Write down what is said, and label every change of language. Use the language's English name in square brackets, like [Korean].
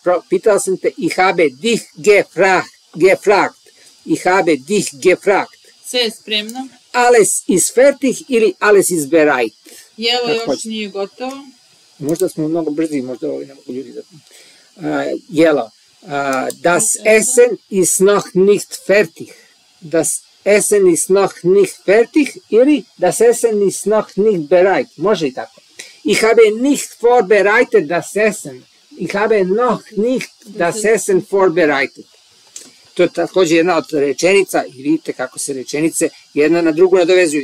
[Serbian] Pitao sam te, [German] ich habe dich gefragt. Ich habe dich gefragt. [Serbian] Sve je spremno. [German] Alles ist fertig ili alles ist bereit. [Serbian] Jelo još hoći. Nije gotovo. Možda smo mnogo brzi, možda ovi ne mogu ljudi da... jelo. [German] Das Essen ist noch nicht fertig. Das Essen ist noch nicht fertig ili das Essen ist noch nicht bereit. [Serbian] Može i tako. [German] Ich habe nicht vorbereitet das Essen. Ich habe noch nicht das Essen vorbereitet. [Serbian] To je takođe jedna od rečenica i vidite kako se rečenice jedna na drugu nadovezuju.